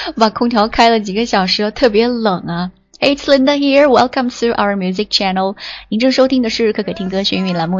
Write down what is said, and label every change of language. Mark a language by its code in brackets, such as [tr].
[zh] 把空调开了几个小时了，特别冷啊。 [en] It's Linda here, welcome to our music channel. [zh] 您正收听的是可可听歌学英语栏目。